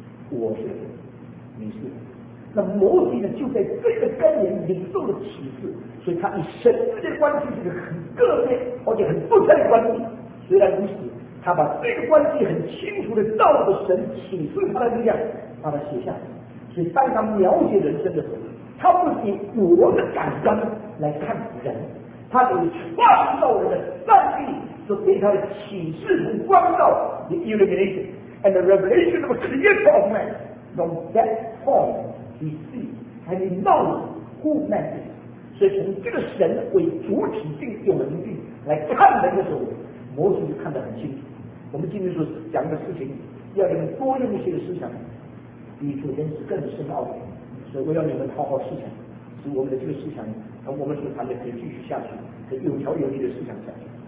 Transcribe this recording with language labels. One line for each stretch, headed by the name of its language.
Chinese: 我是人，你是人，那摩西呢就在这个根源领受了启示，所以他与神之间的关系是个很个别而且很不正的关系。虽然如此，他把这个关系很清楚地照着神启示他的力量把它写下来。所以当他描写人生的时候，他不以我的感官来看人，他以创造人的上帝所给他的启示和光照
English: the illumination and the revelation of a creator of man from that point He sees and he knows who man is.
Chinese: 所以从这个神为主体性永恒性来看人的时候，摩西就看得很清楚。我们今天所讲的事情要你们多用一些的思想比昨天是更深奥的，所以我要你们好好思想，使我们的这个思想和我们所谈的可以继续下去，可以有条有理的思想下去。